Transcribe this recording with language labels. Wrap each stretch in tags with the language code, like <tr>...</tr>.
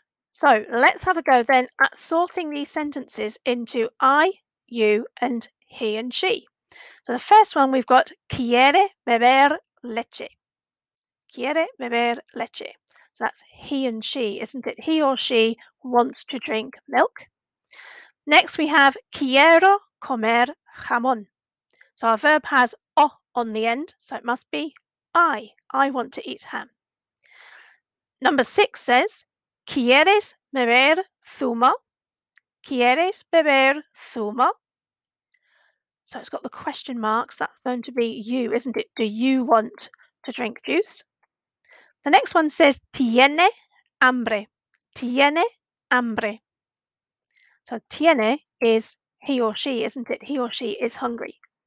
<en>So let's have a go then at sorting these sentences into I, you, and he and she. So the first one we've got,</en> <es>quiere beber leche. Quiere beber leche.</es> <en>So that's he and she, isn't it? He or she wants to drink milk. Next, we have</en> <es>quiero comer jamón.</es> <en>So our verb has o on the end, so it must be I want to eat ham. Number six says,</en> <es>¿quieres beber zumo? ¿Quieres beber zumo?</es> <en>So it's got the question marks. That's going to be you, isn't it? Do you want to drink juice? The next one says,</en> <es>¿tiene hambre? ¿Tiene hambre?</es> <en>So tiene is he or she, isn't it? He or she is hungry.</en>